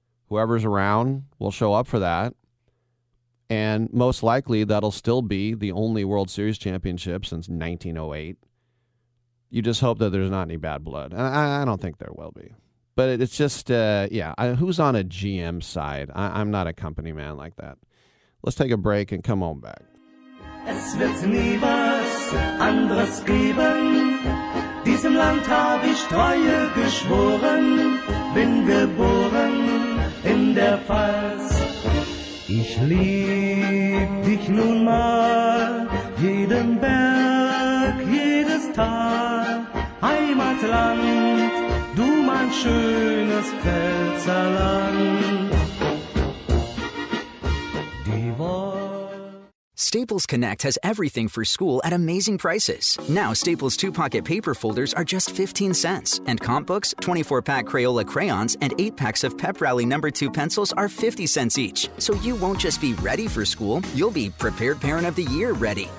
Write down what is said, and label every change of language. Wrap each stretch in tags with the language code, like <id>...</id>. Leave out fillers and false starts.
<en>Whoever's around will show up for that. And most likely that'll still be the only World Series championship since 1908. You just hope that there's not any bad blood. And I don't think there will be. But it's just, who's on a GM side? I'm not a company man like that. Let's take a break and come on back.</en> <de>Es wird nie was anderes geben. Diesem Land habe ich Treue geschworen. Bin geboren in der Pfalz. Ich lieb dich nun mal, jeden Berg, jedes Tal, Heimatland, du mein schönes Pfälzerland.</de> <en>Staples Connect has everything for school at amazing prices. Now Staples 2-pocket paper folders are just 15 cents, and comp books, 24-pack Crayola crayons, and 8-packs of Pep Rally number 2 pencils are 50 cents each. So you won't just be ready for school, you'll be prepared parent of the year ready.</en>